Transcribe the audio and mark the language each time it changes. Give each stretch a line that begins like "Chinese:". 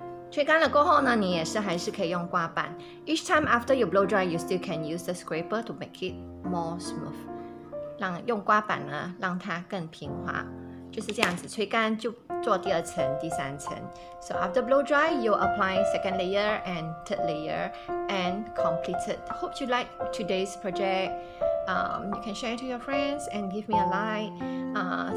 Chinese: 吹干了过后呢，你也是还是可以用刮板。
English: Each time after you blow dry, you still can use the scraper to make it more smooth.
Chinese: 用刮板呢，让它更平滑。就是这样子，吹干就做第二层、第三层。
English: So after blow dry, you apply second layer and third layer and completed. Hope you like today's project. You can share it to your friends and give me a like.